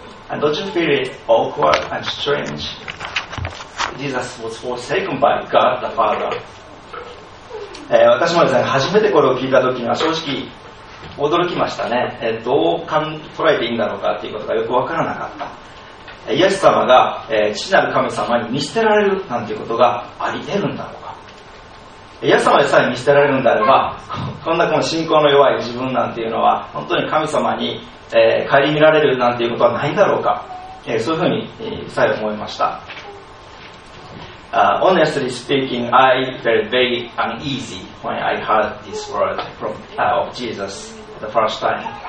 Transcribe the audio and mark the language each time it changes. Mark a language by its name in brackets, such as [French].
[English] And don't you feel it awkward and strange? Jesus was forsaken by God the Father. [Japanese] 私もですね、初めてこれを聞いた時には正直驚きましたね。どう捉えていいんだろうかということがよく分からなかった。イエス様が、父なる神様に見捨てられるなんていうことがあり得るんだろうか。イエス様でさえ見捨てられるんであれば、こんなこの信仰の弱い自分なんていうのは本当に神様に顧みられるなんていうことはないんだろうか、そういうふうにさえ思いました。 [English] Honestly speaking, I felt very uneasy when I heard this word from, of Jesus the first time.